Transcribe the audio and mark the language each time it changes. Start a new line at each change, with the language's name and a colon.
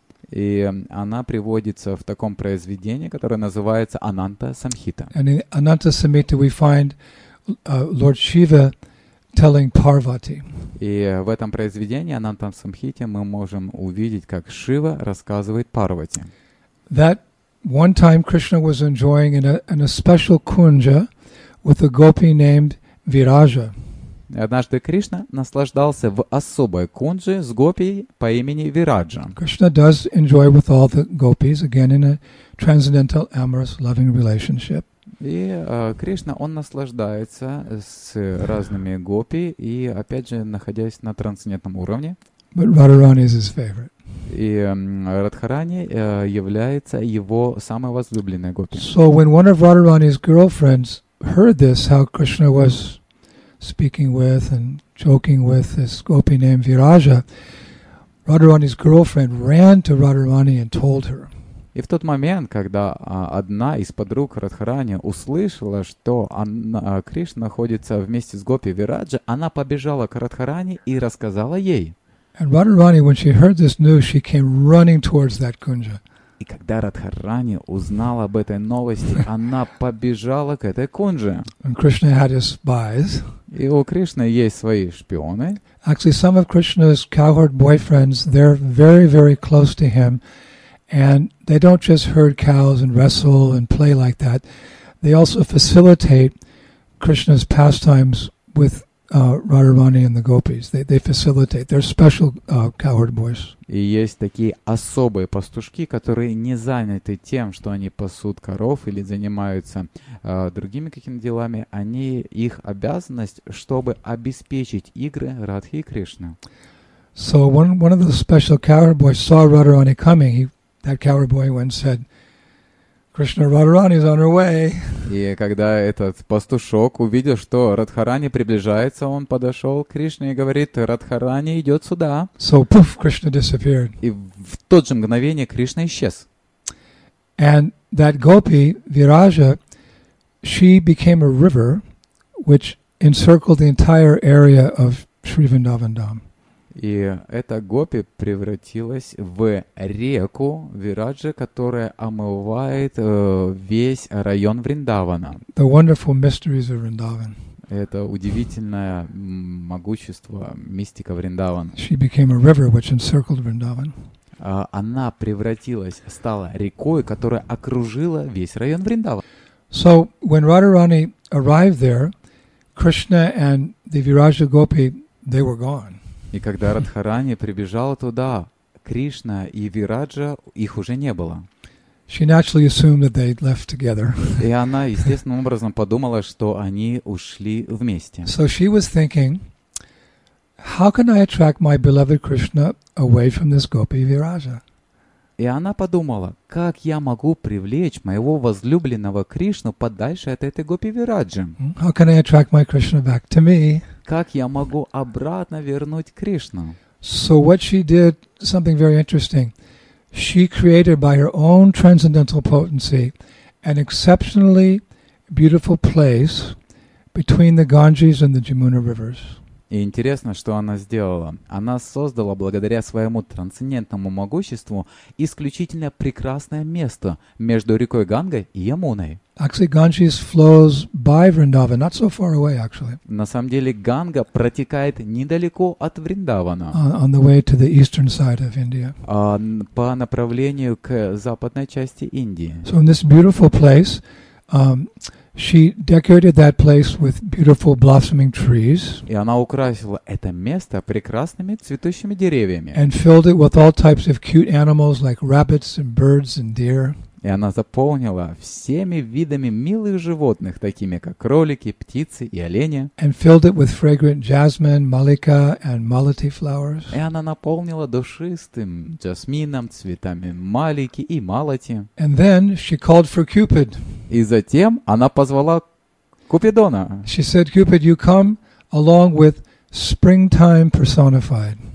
Russian: И она приводится в таком произведении, которое называется Ананта Самхита.
English: And in Ananta Samhita we find Lord Shiva telling Parvati.
Russian: И в этом произведении Ананта Самхите мы можем увидеть, как Шива рассказывает Парвати.
English: That one time Krishna was enjoying in a special kunja with a gopi named Viraja.
Russian: Однажды Кришна наслаждался в особой кунджи с гопи по имени Вираджа.
English: Krishna does enjoy with all the gopis, again in a transcendental, amorous, loving relationship.
Russian: И Кришна, он наслаждается с разными гопи и, опять же, находясь на трансцендентном уровне.
English: But Radharani is his favorite.
Russian: И Радхарани является его самой возлюбленной гопи.
English: So when one of Radharani's girlfriends heard this, how Krishna was speaking with and joking with this gopi named Viraja, Radharani's girlfriend ran to Radharani and told her.
Russian: И в тот момент, когда одна из подруг Радхарани услышала, что Кришна находится вместе с гопи Вираджа, она побежала к Радхарани и рассказала ей.
English: And Radharani, when she heard this news, she came running towards that kunja.
Russian: И когда Радхарани узнала об этой новости, она побежала к этой кундже.
English: And Krishna had his spies.
Russian: И у Кришны есть свои шпионы.
English: Actually, some of Krishna's cowherd boyfriends, they're very, very close to him. And they don't just herd cows and wrestle and play like that. They also facilitate Krishna's pastimes with Radharani and the gopis. They facilitate. They're special cowherd boys.
Russian: И есть такие особые пастушки, которые не заняты тем, что они пасут коров или занимаются другими какими-то делами. Они их обязанность, чтобы обеспечить игры Радхи и Кришны.
English: So one of the special cowherd boys saw Radharani coming. That cowherd boy went and said, Krishna Radharani is on her way.
Russian: И когда этот пастушок увидел, что Радхарани приближается, он подошел к Кришне и говорит, Радхарани идет сюда.
English: So, poof, Krishna disappeared.
Russian: И в тот же мгновение Кришна исчез.
English: And that gopi, Viraja, she became a river, which encircled the entire area of Sri Vrindavan Dham.
Russian: И эта гопи превратилась в реку Вираджа, которая омывает весь район Вриндавана.
English: The wonderful mysteries of Vrindavan.
Russian: Это удивительное могущество, мистика Вриндавана.
English: She became a river which encircled Vrindavan.
Russian: Она превратилась, стала рекой, которая окружила весь район Вриндавана.
English: So when Radharani arrived there, Krishna and the Viraja gopi, they were gone.
Russian: И когда Радхарани прибежала туда, Кришна и Вираджа, их уже не было.
English: She naturally assumed that they'd left together.
Russian: И она естественным образом подумала, что они ушли вместе.
English: So she was thinking, how can I attract my beloved Krishna away from this gopi Viraja?
Russian: И она подумала, как я могу привлечь моего возлюбленного Кришну подальше от этой гопи Вираджи?
English: How can I attract my Krishna back to me?
Russian: Как я могу обратно вернуть Кришну?
English: So what she did, something very interesting. She created by her own transcendental potency an exceptionally beautiful place between the Ganges and the Jamuna rivers.
Russian: И интересно, что она сделала. Она создала благодаря своему трансцендентному могуществу исключительно прекрасное место между рекой Ганга и Ямуной.
English: Actually, Ganges flows by Vrindavan, not so far away, actually.
Russian: На самом деле, Ганга протекает недалеко от Вриндавана.
English: On the way to the eastern side of India.
Russian: По направлению к западной части Индии.
English: So in this beautiful place, she decorated that place with beautiful blossoming trees.
Russian: И она украсила это место прекрасными цветущими деревьями.
English: And filled it with all types of cute animals like rabbits and birds and deer.
Russian: И она заполнила всеми видами милых животных, такими как кролики, птицы и олени.
English: And filled it with fragrant jasmine, mallika, and malati flowers.
Russian: И она наполнила душистым жасмином, цветами малики и малати.
English: And then she called for Cupid.
Russian: И затем она позвала Купидона.
English: She said, Cupid, you come along with springtime personified.